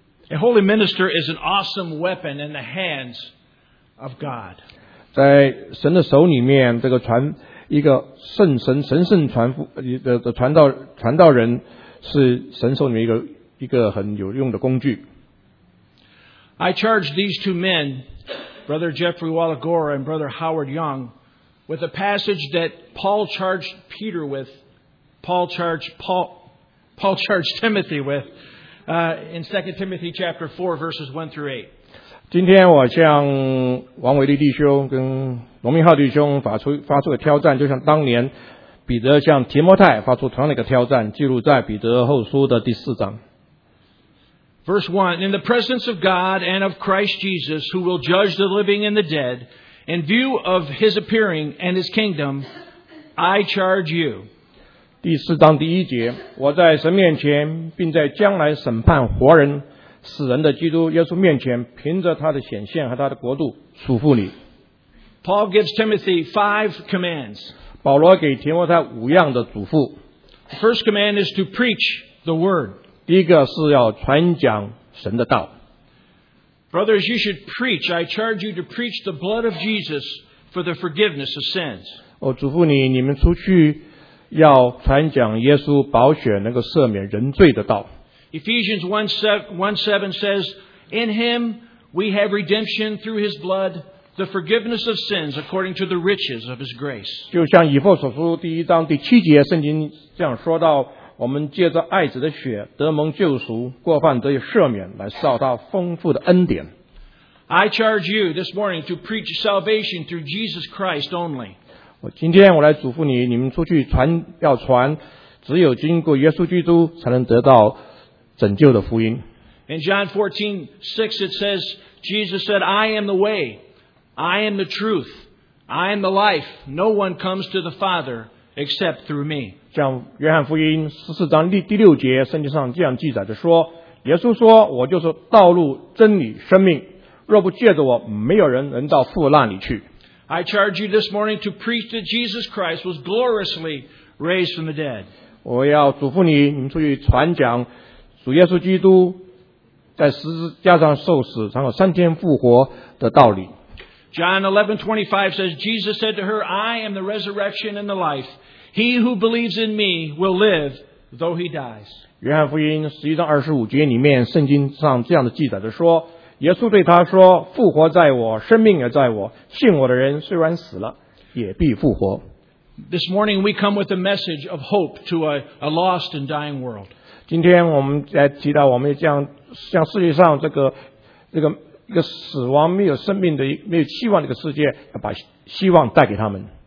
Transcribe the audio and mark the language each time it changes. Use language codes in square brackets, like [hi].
[en] A holy minister is an awesome weapon in the hands of God. [zh] 在神的手里面，这个传一个圣神神圣传福的传道人，是神手里面一个很有用的工具。 [en] I charged these two men, Brother Jeffrey Walagora and Brother Howard Young, with a passage that Paul charged Peter with, Paul charged Timothy with, in 2 Timothy chapter 4 verses 1 through 8. [zh] 今天我向王伟立弟兄跟罗明浩弟兄发出个挑战，就像当年彼得向提摩太发出同样的一个挑战，记录在彼得后书的第四章。 [en] Verse 1, in the presence of God and of Christ Jesus, who will judge the living and the dead, in view of his appearing and his kingdom, I charge you. [zh] 第四章第一节，我在神面前，并在将来审判活人死人的基督耶稣面前，凭着他的显现和他的国度，嘱咐你。 [en] Paul gives Timothy five commands. [zh] 保罗给提摩太五样的嘱咐。 [en] The first command is to preach the word. [zh] 第一个是要传讲神的道。 [en] Brothers, you should preach. I charge you to preach the blood of Jesus for the forgiveness of sins. [zh] 我嘱咐你，你们出去要传讲耶稣宝血能够赦免人罪的道。 [en] Ephesians 1:7 says, In him we have redemption through his blood, the forgiveness of sins according to the riches of his grace. [zh] 就像以弗所书第一章第七节圣经这样说到，我们借着爱子的血得蒙救赎，过犯得以赦免，来受他丰富的恩典。 [en] I charge you this morning to preach salvation through Jesus Christ only. [zh] 今天我来嘱咐你，你们出去传，要传，只有经过耶稣基督才能得到拯救的福音。 [en] In John 14:6 it says, Jesus said, I am the way, I am the truth, I am the life. No one comes to the Father except through me. [zh] 像约翰福音14章第六节圣经上这样记载的说，耶稣说，我就是道路、真理、生命，若不借着我，没有人能到父那里去。 [en] I charge you this morning to preach that Jesus Christ was gloriously raised from the dead. [zh] 我要嘱咐你，你们出去传讲主耶稣基督在十字架上受死，然后三天复活的道理。 [en] John 11:25 says, Jesus said to her, I am the resurrection and the life. He who believes in me will live, though he dies. [zh] 约翰福音11章25节里面圣经上这样的记载的说，耶稣对他说，复活在我，生命也在我，信我的人虽然死了也必复活。 [en] This morning we come with a message of hope to a lost and dying world. [zh] 今天我们来提到我们向世界上这个一个死亡没有生命的没有希望的一个世界要把希望带给他们。